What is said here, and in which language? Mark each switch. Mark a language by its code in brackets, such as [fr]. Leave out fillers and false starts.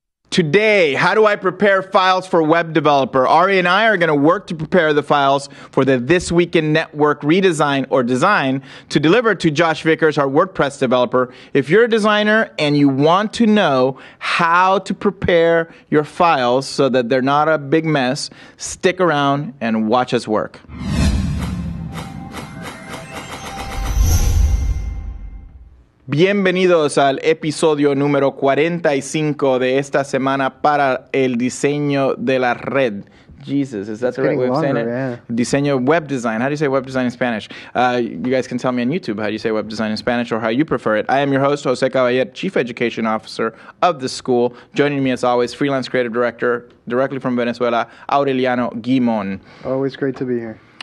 [en] Today, how do I prepare files for web developer? Ari and I are going to work to prepare the files for the This Week in Network redesign or design to deliver to Josh Vickers, our WordPress developer. If you're a designer and you want to know how to prepare your files so that they're not a big mess, stick around and watch us work. [es] Bienvenidos al episodio número 45 de esta semana para el diseño de la red. [en] Jesus, is that it's the right way longer, of saying it? Yeah. Diseño web design. How do you say web design in Spanish? You guys can tell me on YouTube how you say web design in Spanish or how you prefer it. I am your host, Jose Caballet, Chief Education Officer of the school. Joining me as always, freelance creative director directly from Venezuela, Aureliano Guimón. Always great to be here.